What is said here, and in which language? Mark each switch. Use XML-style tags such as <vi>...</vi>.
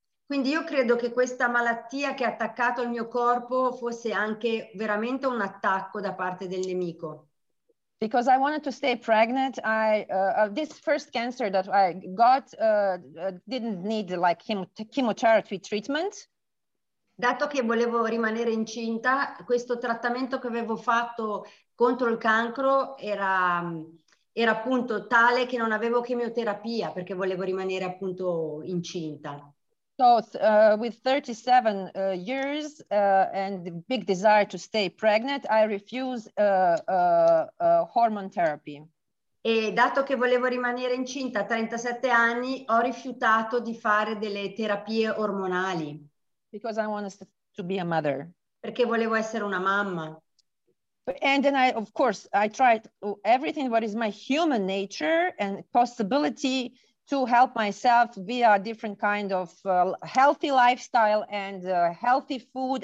<it>Quindi io credo che questa malattia che ha attaccato il mio corpo fosse anche veramente un attacco da parte del nemico.</it> <en>Because I wanted to stay pregnant, this first cancer that I got didn't need like chemotherapy treatment.</en> <it>Dato che volevo rimanere incinta, questo trattamento che avevo fatto contro il cancro era appunto tale che non avevo chemioterapia perché volevo rimanere appunto incinta.</it> <en>So with 37 years and the big desire to stay pregnant, I refuse hormone therapy.</en> <it>E dato che volevo rimanere incinta a 37 anni, ho rifiutato di fare delle terapie ormonali.</it> <en>Because I wanted to be a mother.</en> <it>Perché volevo essere una mamma.</it> <en>And then I, of course, I tried everything what is my human nature and possibility to help myself via a different kind of healthy lifestyle and healthy food.</en>